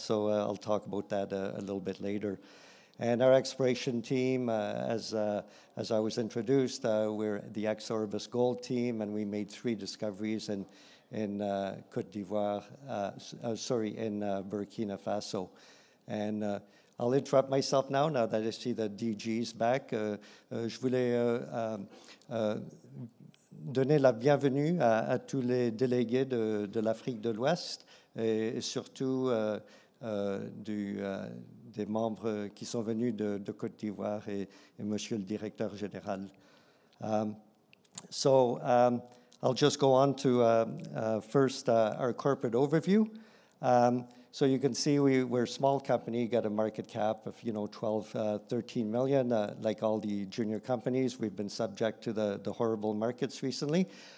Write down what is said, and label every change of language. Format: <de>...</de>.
<en>So I'll talk about that a little bit later. And our exploration team, as I was introduced, we're the ex-Orbis Gold team, and we made three discoveries in Côte d'Ivoire, in Burkina Faso. And I'll interrupt myself now that I see the DG's back.</en> <fr>Je voulais donner la bienvenue à tous les délégués de l'Afrique de l'Ouest et surtout des membres qui sont venus de Côte d'Ivoire et Monsieur le Directeur Général.</fr> <en>I'll just go on to first our corporate overview. So you can see we're a small company, got a market cap of 12-13 million, like all the junior companies. We've been subject to the horrible markets recently.</en>